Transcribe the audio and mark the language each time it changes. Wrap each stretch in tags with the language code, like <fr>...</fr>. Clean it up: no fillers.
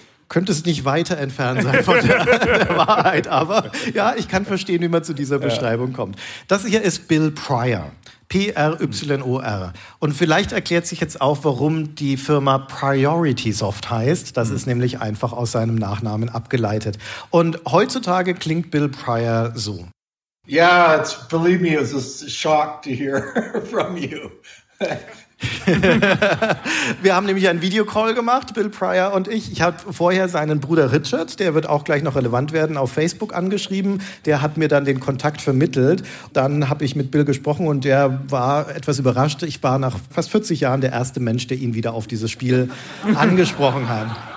<de>Könnte es nicht weiter entfernt sein von der Wahrheit, aber ja, ich kann verstehen, wie man zu dieser Beschreibung kommt. Das hier ist Bill Pryor. P-R-Y-O-R. Und vielleicht erklärt sich jetzt auch, warum die Firma Priority Soft heißt. Das ist nämlich einfach aus seinem Nachnamen abgeleitet. Und heutzutage klingt Bill Pryor so.</de> <en>Yeah, it's, believe me, it was a shock to hear from you.</en> <de>Wir haben nämlich einen Videocall gemacht, Bill Pryor und ich. Ich habe vorher seinen Bruder Richard, der wird auch gleich noch relevant werden, auf Facebook angeschrieben. Der hat mir dann den Kontakt vermittelt. Dann habe ich mit Bill gesprochen und der war etwas überrascht. Ich war nach fast 40 Jahren der erste Mensch, der ihn wieder auf dieses Spiel angesprochen hat.</de>